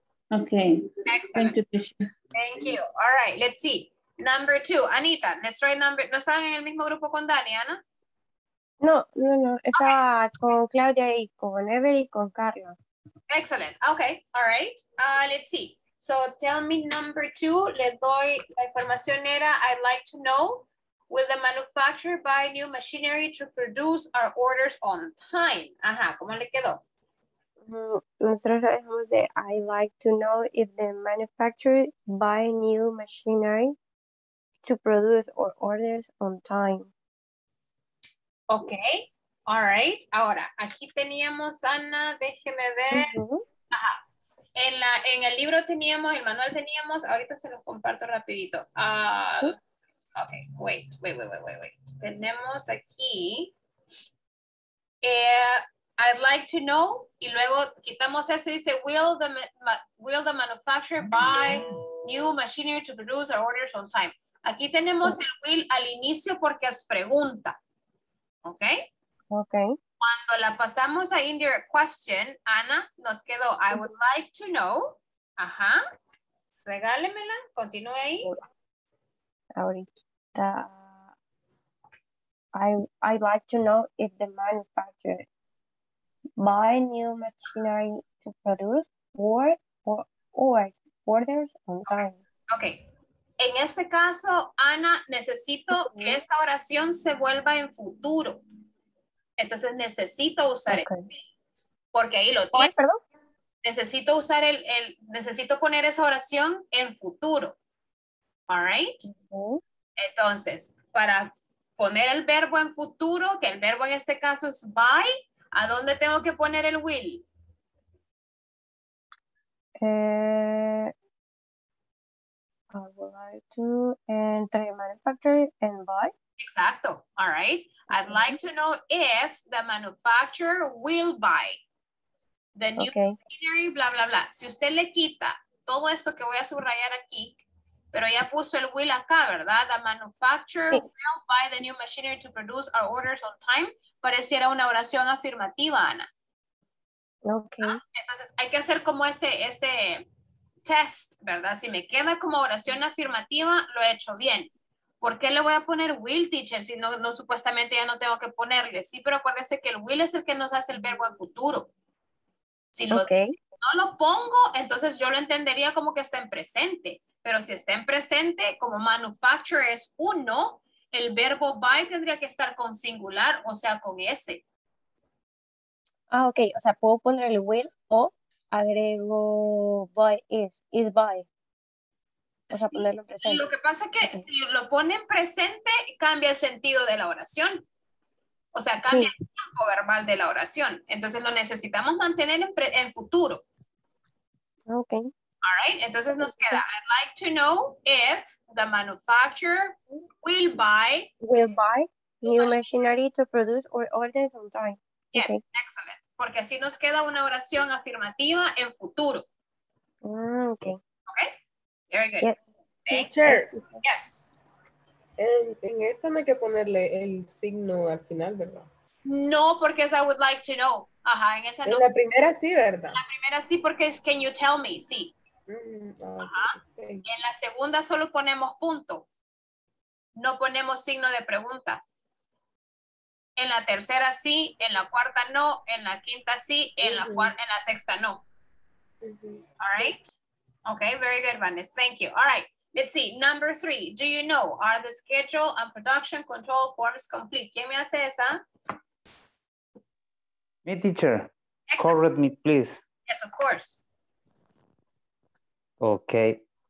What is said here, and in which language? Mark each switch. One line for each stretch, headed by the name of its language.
English: Ok. Excellent. Thank you. All right, let's see. Number two, Anita, let's try number.
Spanish: ¿No estaban en el mismo grupo con Dani, Ana? No, no, no. Estaba okay. Con Claudia y con Ever y con Carla.
English: Excellent. Okay, all right. Let's see. So tell me number two.
Spanish: Les doy la información era,
English: I'd like to know, will the manufacturer buy new machinery to produce our orders on time?
Spanish: Ajá, ¿cómo le quedó? Nosotros dejamos de
English: I'd like to know if the manufacturer buy new machinery to produce our orders on time. Okay, all right.
Spanish: Ahora, aquí teníamos, Ana, déjeme ver. Uh-huh. Ajá. En el libro teníamos, el manual teníamos, ahorita se los comparto rapidito.
English: Okay, wait.
Spanish: Tenemos aquí,
English: I'd like to know,
Spanish: y luego quitamos eso y dice,
English: will the manufacturer buy new machinery to produce our orders on time?
Spanish: Aquí tenemos el will al inicio porque es pregunta.
English: Okay. Okay.
Spanish: Cuando la pasamos a indirect question, Ana, nos quedó,
English: I would like to know.
Spanish: Ajá. Regálemela, continúe ahí. Ahorita.
English: I'd like to know if the manufacturer buy new machinery to produce or orders on time. Okay.
Spanish: En este caso, Ana, necesito que esa oración se vuelva en futuro. Entonces, necesito usar el porque ahí lo tiene. ¿Perdón? Necesito usar el necesito poner esa oración en futuro.
English: All right?
Spanish: Uh-huh. Entonces, para poner el verbo en futuro, que el verbo en este caso es buy, ¿a dónde tengo que poner el will?
English: I would like to enter manufacturer and buy.
Spanish: Exacto.
English: All right. I'd like to know if the manufacturer will buy the new machinery, blah, blah, blah.
Spanish: Si usted le quita todo esto que voy a subrayar aquí, pero ya puso el will acá, ¿verdad?
English: The manufacturer will buy the new machinery to produce our orders on time.
Spanish: Pareciera una oración afirmativa, Ana.
English: Okay. ¿Ah?
Spanish: Entonces, hay que hacer como ese test, ¿verdad? Si me queda como oración afirmativa, lo he hecho bien. ¿Por qué le voy a poner will, teacher? Si no supuestamente ya no tengo que ponerle. Sí, pero acuérdese que el will es el que nos hace el verbo en futuro. Si no lo pongo, entonces yo lo entendería como que está en presente. Pero si está en presente, como manufacturer es uno, el verbo buy tendría que estar con singular, o sea, con S. Ah, ok. O sea, puedo poner el will o agrego buy is buy. O sea, ponerlo en presente. Lo que pasa es que si lo ponen presente, cambia el sentido de la oración. O sea, cambia el tiempo verbal de la oración. Entonces lo necesitamos mantener en futuro.
English: Ok. All right.
Spanish: Entonces nos queda,
English: I'd like to know if the manufacturer will buy new machinery to produce or orders on time. Yes, okay. Excellent.
Spanish: Porque así nos queda una oración afirmativa en futuro.
English: Ok. Ok. Very good. Yes. Teacher. Yes.
Spanish: En esta no hay que ponerle el signo al final, ¿verdad? No, porque es
English: I would like to know.
Spanish: Ajá, en esa en no. La primera sí, ¿verdad? La primera sí, porque es
English: can you tell me,
Spanish: sí. Ajá. Okay. Y en la segunda solo ponemos punto. No ponemos signo de pregunta. En la tercera sí, en la cuarta no, en la quinta sí, en la en la sexta no.
English: Mm-hmm. All right? Okay, very good, Vanessa. Thank you. All right, let's see. Number three, do you know, are the schedule and production control forms complete?
Spanish: ¿Quién me hace esa?
English: Me, teacher. Excellent. Correct me, please. Yes, of course. Okay.